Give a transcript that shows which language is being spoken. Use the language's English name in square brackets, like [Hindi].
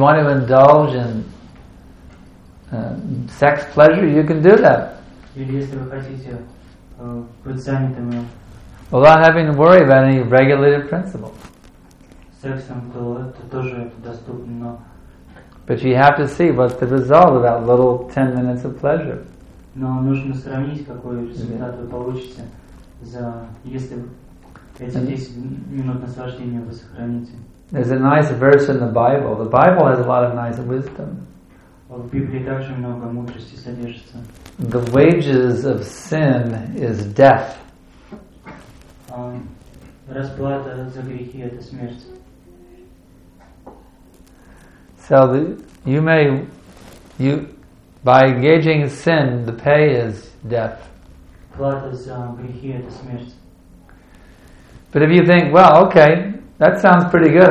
[English] want to indulge in sex pleasure, you can do that. Without having to worry about any regulative principle. But you have to see what's the result of that little 10 minutes of pleasure. [Russian] Но нужно сравнить, какой результат вы получите, если эти 10 минут наслаждения вы сохраните. [English] There's a nice verse in the Bible. The Bible has a lot of nice wisdom. [Russian] В Библии также много мудрости содержится. [English] The wages of sin is death. [Russian] Расплата за грехи — это смерть. [English] So by engaging in sin, the pay is death. [Russian] Плата за грехи — это смерть. [English] But if you think, well, okay, that sounds pretty good.